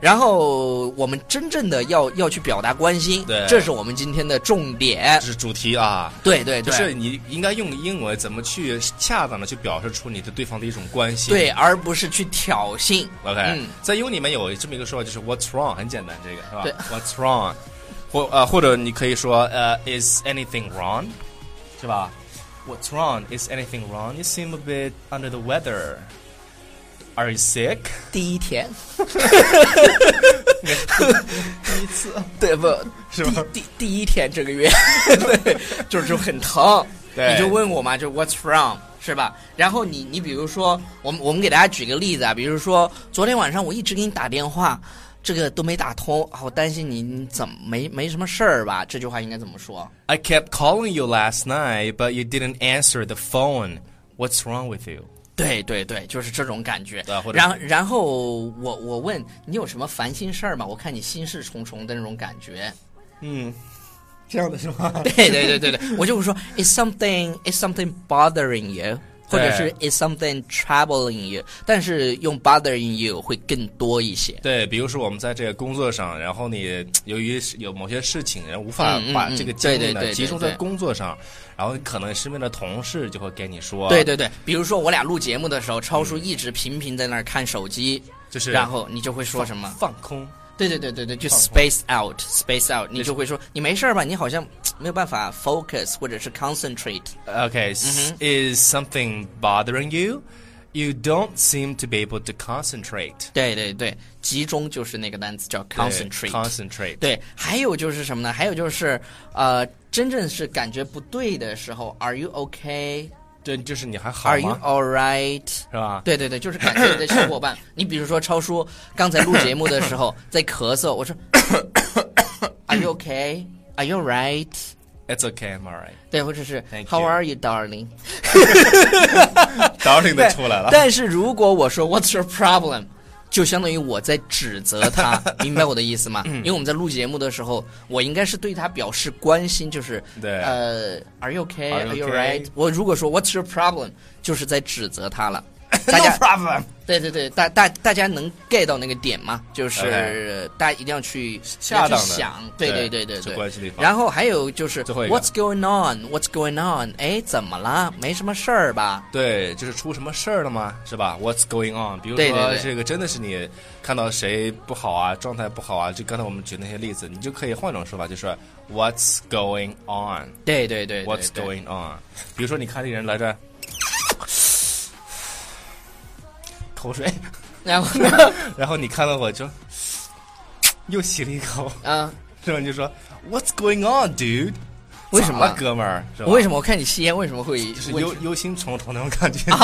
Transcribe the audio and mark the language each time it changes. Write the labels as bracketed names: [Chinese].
[Chinese] 然后我们真正的要去表达关心，对，这是我们今天的重点，这是主题啊。对对对，就是你应该用英文怎么去恰当的去表示出你的对方的一种关心，对，而不是去挑衅。 OK，在英文里面有这么一个说法，就是 [English] what's wrong， [Chinese] 很简单，这个是吧？对 [English] ，what's wrong， [Chinese] 或者你可以说 [English] is anything wrong， [Chinese] 是吧？ [English] What's wrong? Is anything wrong? You seem a bit under the weather. Are you sick? [Chinese] 第一天，第一次，对不？是吧？第一天这个月，对，就很疼。对，你就问我嘛，就 [English] What's wrong？ [Chinese] 是吧？然后你比如说，我们给大家举个例子啊，比如说昨天晚上我一直给你打电话，这个都没打通啊，我担心你怎么没什么事儿吧？这句话应该怎么说 [English] ？I kept calling you last night, but you didn't answer the phone. What's wrong with you？ [Chinese] 对对对，就是这种感觉。对，或者然后我问你有什么烦心事儿吗？我看你心事重重的那种感觉。嗯，这样的是吗？对对对对对，我就说 [English] is something bothering you？ [Chinese] 或者是 [English] is something troubling you， [Chinese] 但是用 [English] bothering you [Chinese] 会更多一些。对，比如说我们在这个工作上，然后你由于有某些事情，然后无法把这个精力呢集中在工作上，然后可能身边的同事就会跟你说。对对对，比如说我俩录节目的时候，超叔一直频频在那儿看手机，就是，然后你就会说什么？放空。对对对对对，就 [English] space out， [Chinese] 你就会说你没事吧？你好像没有办法 focus 或者是 concentrate。 [English] Okay,、is something bothering you? You don't seem to be able to concentrate. [Chinese] 对对对，集中就是那个单词叫 concentrate。 [English] Concentrate。 [Chinese] 对，还有就是什么呢？还有就是，真正是感觉不对的时候 ， [English] Are you okay？ [Chinese] 对，就是你还好吗 [English] ？Are you all right？ [Chinese] 是吧？对对对，就是感谢你的小伙伴。你比如说超叔刚才录节目的时候在咳嗽，我说 [English] Are you okay？ Are you right？ It's okay, I'm alright. [Chinese] 对，或者是 [English] How are you, darling? [Chinese] Darling 都出来了。但是如果我说 [English] What's your problem? [Chinese] 就相当于我在指责他，明白我的意思吗？因为我们在录节目的时候，我应该是对他表示关心，就是对 [English] Are you okay? Are you right? [Chinese] 我如果说 [English] What's your problem? [Chinese] 就是在指责他了。 [English] No problem. [Chinese] 对对对，大家能 get 到那个点吗？就是、okay. 大家一定要去下当的想，对对对对对。关系地方。然后还有就是 ， [English] What's going on? What's going on? [Chinese] 哎，怎么了？没什么事儿吧？对，就是出什么事儿了吗？是吧 [English] ？What's going on? [Chinese] 比如说这个真的是你看到谁不好啊，状态不好啊，就刚才我们举那些例子，你就可以换种说法，就是 [English] What's going on? [Chinese] 对对 对, 对， [English] What's going on? [Chinese] 比如说你看那人来着。口水，然后呢？然后你看到我就又吸了一口啊，是吧？你就说 [English] What's going on, dude？ [Chinese] 为什么，哥们儿？是吧？为什么我看你吸烟，为什么会就是忧心忡忡那种感觉？